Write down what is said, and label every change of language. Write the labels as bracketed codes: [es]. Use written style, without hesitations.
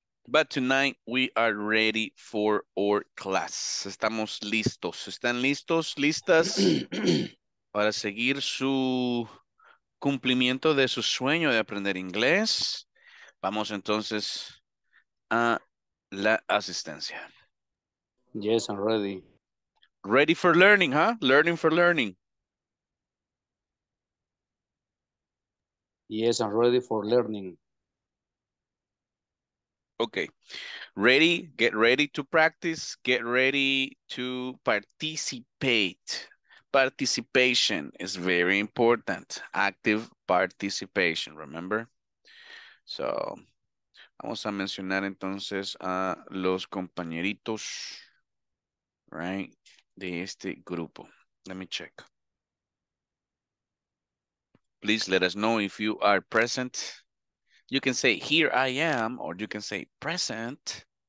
[en] But tonight we are ready for our class. [es] Estamos listos. ¿Están listos, listas para seguir su cumplimiento de su sueño de aprender inglés? Vamos entonces a la asistencia. [en] Yes, I'm ready. Ready for learning, huh? Learning for learning. Yes, I'm ready for learning. Okay. Ready, get ready to practice, get ready to participate. Participation is very important. Active participation, remember? [es] So, vamos a mencionar entonces a los compañeritos, right, de este grupo. [en] Let me check. Please let us know if you are present. You can say, here I am, or you can say, present.